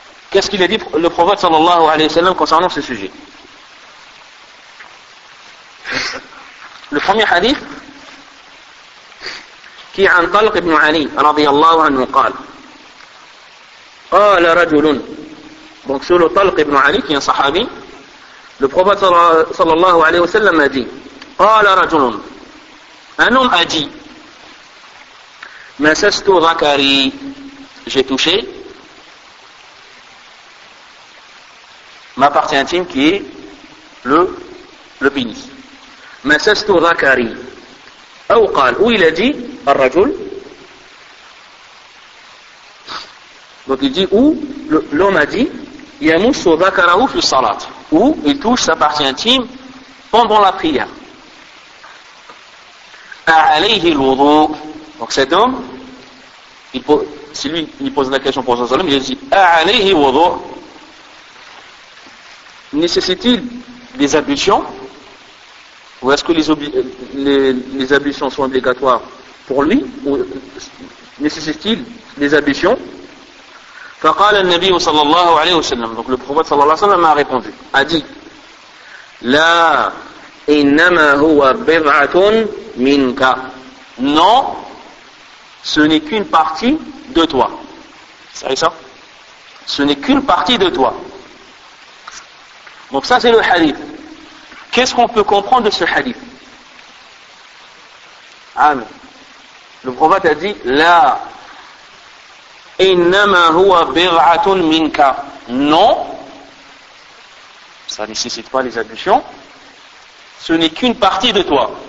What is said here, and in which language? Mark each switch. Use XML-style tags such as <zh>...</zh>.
<fr>Qu'est-ce qu'il a dit le prophète</fr> <ar>sallallahu alayhi wa sallam</ar> <fr>concernant ce sujet? Le premier hadith qui est</fr> <ar>عن طلق بن علي رضي الله عنه قال قال رجل.</ar> <fr>Donc sur le طلق بن علي qui est un sahabi, le prophète</fr> <ar>sallallahu alayhi wa sallam</ar> <fr>a dit</fr> <ar>قال رجل,</ar> <fr>un homme a dit</fr> <ar>مَسَسْتُ ذَكَرِي,</ar> <fr>j'ai touché ma partie intime qui est le pénis.</fr> <ar>مَسَسْتُ ذَكَرِي أو قال,</ar> <fr>ou il a dit</fr> <ar>الرجل,</ar> <fr>donc il dit ou l'homme a dit</fr> <ar>يَمُسُّ ذَكَرَهُ فِي الصَّلَاةِ,</ar> <fr>ou il touche sa partie intime pendant la prière.</fr> <ar>عَلَيْهِ الْوُضُوء,</ar> <fr>donc cet homme, il pose la question pour son salam, il dit عَلَيْهِ الْوُضُوء, nécessite-t-il des ablutions, ou est-ce que les ablutions sont obligatoires pour lui, ou nécessite-t-il des ablutions?</fr> <ar>فقال النبي صلى الله عليه وسلم,</ar> <fr>donc le prophète</fr> <ar>صلى الله عليه وسلم</ar> <fr>a répondu, a dit</fr> <ar>لا إنما هو بضعة منك,</ar> <fr>non, ce n'est qu'une partie de toi. C'est ça? Ce n'est qu'une partie de toi. Donc ça c'est le hadith. Qu'est-ce qu'on peut comprendre de ce hadith? Amen. Le prophète a dit</fr> <ar>la innama huwa bir'atun minka,</ar> <fr>non, ça ne nécessite pas les ablutions, ce n'est qu'une partie de toi.</fr>